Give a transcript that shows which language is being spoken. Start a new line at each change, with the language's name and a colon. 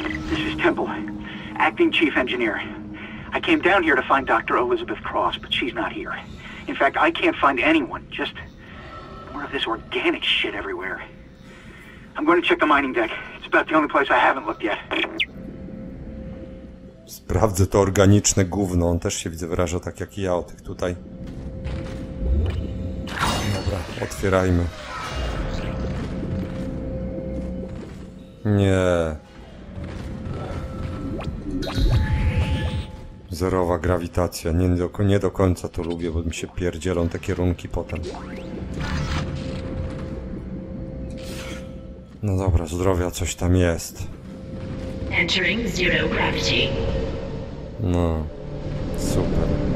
English: This is Temple, acting chief engineer. I came down here to find Dr. Elizabeth Cross, but she's not here. In fact, I can't find anyone. Just more of this organic shit everywhere. I'm going to check the mining deck. It's about the only place I haven't looked yet.
Polish: Sprawdzę to organiczne gówno. On też się, widzę, wyraża tak jak i ja o tych tutaj. Dobra, otwierajmy. Nie. Zerowa grawitacja. Nie do końca to lubię, bo mi się pierdzielą te kierunki potem. No dobra, zdrowia, coś tam jest.
English: Entering zero gravity. No, super.